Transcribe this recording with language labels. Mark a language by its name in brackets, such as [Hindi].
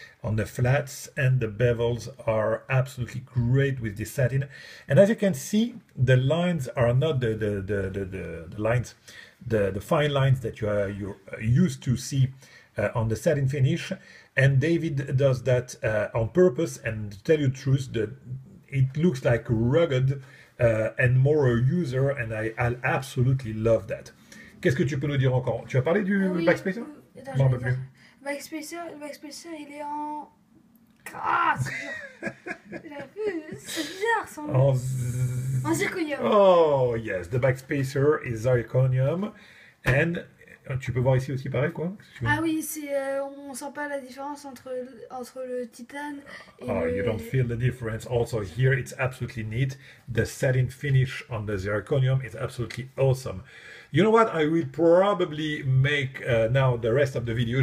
[English] On the flats and the bevels are absolutely great with this satin, and as you can see, the lines are not the lines, the fine lines that you're used to see on the satin finish. And David does that on purpose. And to tell you the truth, it looks like rugged and more a user, and I absolutely love that. [French] Qu'est-ce que tu peux nous dire encore? Tu as parlé du backspacer? Non, pas plus. Backspacer, il est en... Ah, c'est bizarre, en zirconium. [English] Oh, yes, the backspacer is zirconium. [French] And tu peux voir ici aussi pareil, quoi. Ah oui, c'est, on sent pas la différence entre le titane et Oh, le... [English] you don't feel the difference. Also here, it's absolutely neat. The satin finish on the zirconium is absolutely awesome. You know what, I will probably make now the rest of the video.